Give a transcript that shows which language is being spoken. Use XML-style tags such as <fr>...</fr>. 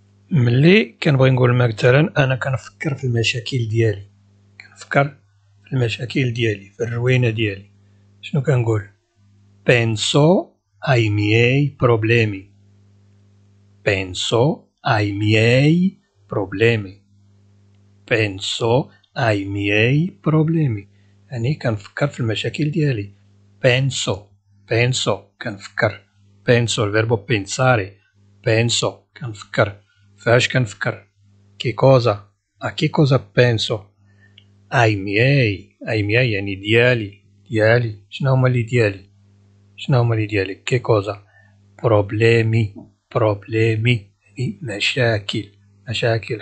<ar>ملي كنبغي نقول مثلا انا كنفكر في المشاكل ديالي، كنفكر في المشاكل ديالي في الروينه ديالي، شنو كنقول؟</ar> <it>penso ai miei problemi،</it> <ar>penso ai miei problemi، penso ai miei problemi، يعني كنفكر في المشاكل ديالي. penso penso كنفكر، penso الverbo pensare، penso كنفكر. فاش كنفكر؟ كي كوزا،</ar> <it>a che cosa penso؟ ai miei، ai miei</it> <ar>يعني ديالي، ديالي شنو هما اللي ديالي، شنو هما اللي ديالي،</ar> <it>che cosa؟ problemi، problemi</it> <ar>يعني مشاكل، مشاكل.</ar>